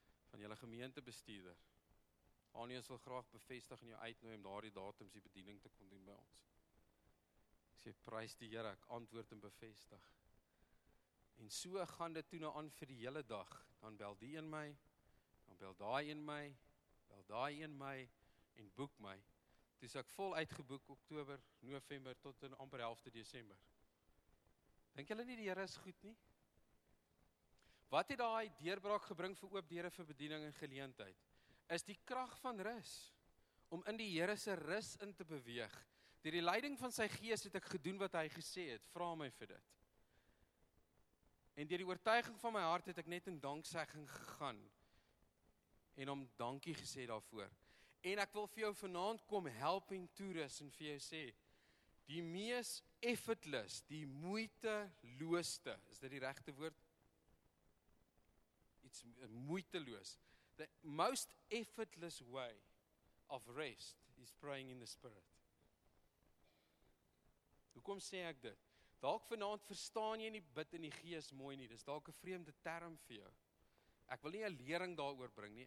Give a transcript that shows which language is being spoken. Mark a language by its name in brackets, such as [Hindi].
[Afrikaans] Van julle gemeentebestuurder. Anies wil graag bevestig en jou uitnooi om daardie datums die bediening te kon doen by ons. Ek sê, prys die Here, ek antwoord en bevestig. En so gaan dit toe nou aan vir die hele dag. Dan bel die een my, dan bel daai een my, bel daai een my en boek my. Toe is ek vol uitgeboek Oktober, November tot in amper helfte Desember. Dink julle nie die Here is goed nie? Wat het daai deurbraak gebring vir oop deure vir bediening en geleentheid? Is die krag van rus. Om in die Here se rus in te beweeg. Deur die leiding van sy gees het ek gedoen wat hy gesê het. Vra my vir dit. En deur die oortuiging van my hart het ek net in danksegging gegaan. En om dankie gesê daarvoor. En ek wil vir jou vanaand kom help en toerus en vir jou sê. Die mees effortless, die moeiteloosste. Is dit die regte woord? Iets moeiteloos. [English] The most effortless way of rest is praying in the spirit. [Afrikaans] Hoekom sê ek dit? Dalk vanaand verstaan jy nie bid in die gees mooi nie. Dis dalk 'n vreemde term vir jou. Ek wil nie 'n lering daaroor bring nie.